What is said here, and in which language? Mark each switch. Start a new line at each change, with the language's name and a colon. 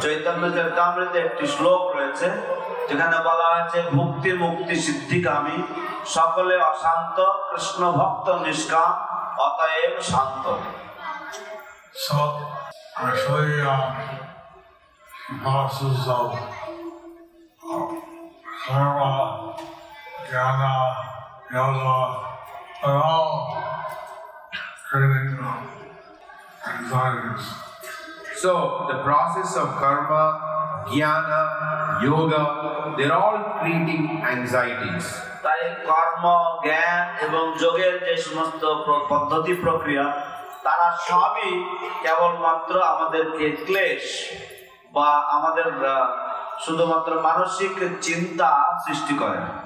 Bangla: Chaitanya Charitamrita একটি শ্লোক রয়েছে যেখানে বলা আছে মুক্তি মুক্তি সিদ্ধি কামী সকলে অশান্ত কৃষ্ণ ভক্ত নিষ্কাম অতএব শান্ত।
English: So actually, verses of karma, jnana, yoga are all creating anxieties. So the process of karma, jnana, yoga, they're all creating anxieties.
Bangla: তাই কর্ম, জ্ঞান এবং যোগের যে সমস্ত পদ্ধতি প্রক্রিয়া তারা সবই কেবলমাত্র আমাদেরকে ক্লেশ বা আমাদের শুধুমাত্র মানসিক চিন্তা সৃষ্টি করে।